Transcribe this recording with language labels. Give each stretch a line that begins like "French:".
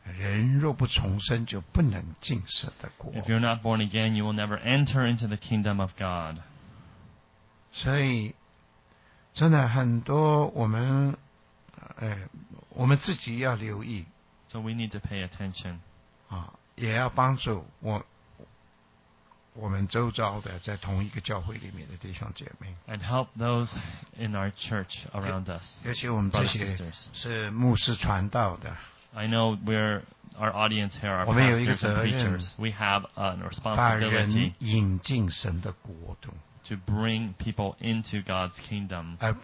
Chinese: 人若不重生，就不能进神的国。
English: If you're not born again, you will never enter into the kingdom of God.
Chinese: 所以，真的很多我们自己要留意。
English: So we need to pay attention.
Chinese: 也要帮助我们周遭的在同一个教会里面的弟兄姐妹。
English: And help those in our church around us.
Chinese: 尤其我们这些是牧师传道的。
English: I know we're our audience here are pastors and preachers. We have a responsibility to bring people into God's kingdom.